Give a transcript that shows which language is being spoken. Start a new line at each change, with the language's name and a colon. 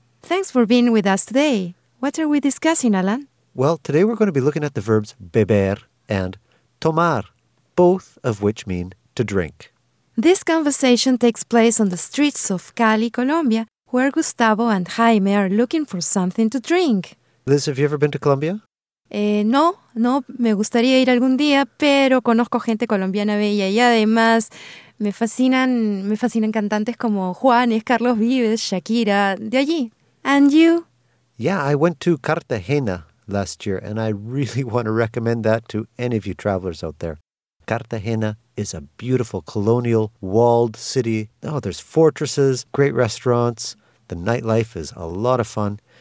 English: Thanks for being with us today. What are we discussing, Alan? Well, today we're going to be looking at the verbs beber and tomar, both of which mean to drink. This conversation takes place on the streets of Cali, Colombia, where Gustavo and Jaime are looking for something to drink. Liz, have you ever been to Colombia?
Spanish: No, me gustaría ir algún día, pero conozco gente colombiana bella y además me fascinan cantantes como Juanes, Carlos Vives, Shakira, de allí.
English: And you? Yeah, I went to Cartagena last year and I really want to recommend that to any of you travelers out there. Cartagena is a beautiful colonial walled city. Oh, there's fortresses, great restaurants. The nightlife is a lot of fun.